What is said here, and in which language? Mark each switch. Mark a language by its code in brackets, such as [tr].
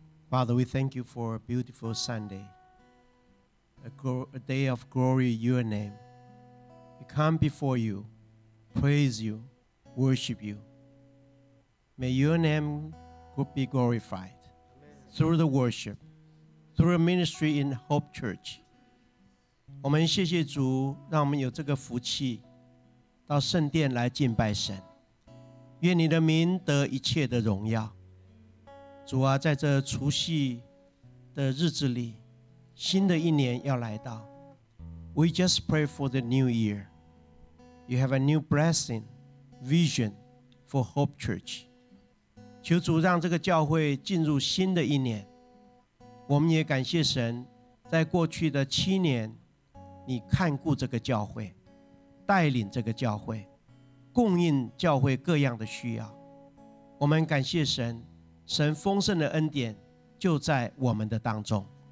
[en] Father, we thank you for a beautiful Sunday, a day of glory in your name. We come before you, praise you, worship you. May your name could be glorified. Amen. Through the worship, through a ministry in Hope Church. [zh] 我们谢谢主，让我们有这个福气，到圣殿来敬拜神。愿你的名得一切的荣耀，主啊，在这除夕的日子里，新的一年要来到。 [en] We just pray for the new year. You have a new blessing, vision for Hope Church. [zh] 求主让这个教会进入新的一年。我们也感谢神，在过去的七年，你看顾这个教会，带领这个教会。供应教会各样的需要，我们感谢神，神丰盛的恩典就在我们的当中。